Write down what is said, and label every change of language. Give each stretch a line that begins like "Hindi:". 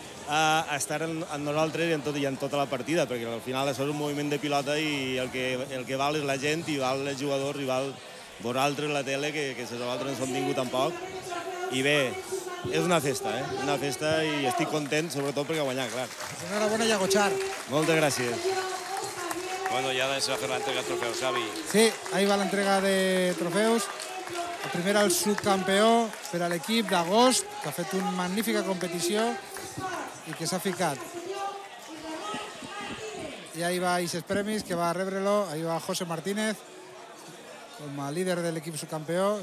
Catalan: a estar amb nosaltres i en tota la partida, perquè al final això és un moviment de pilota i el que val és la gent i val els jugadors i val vosaltres, la tele, que si nosaltres no som ningú tampoc. I bé, és una festa, eh? Una festa i estic content, sobretot perquè ha guanyat, clar. Enhorabona, Iago Char. Moltes gràcies.
Spanish: Bueno, ya se va a hacer la entrega de trofeos, Xavi. Sí, ahí va la entrega de trofeos.
Catalan: El primer, el subcampeó per a l'equip d'agost, que ha fet una magnífica competició i que s'ha ficat. I ahí va Ixes Premis, que va a rebre-lo. Ahí va José Martínez, com a líder de l'equip subcampeó.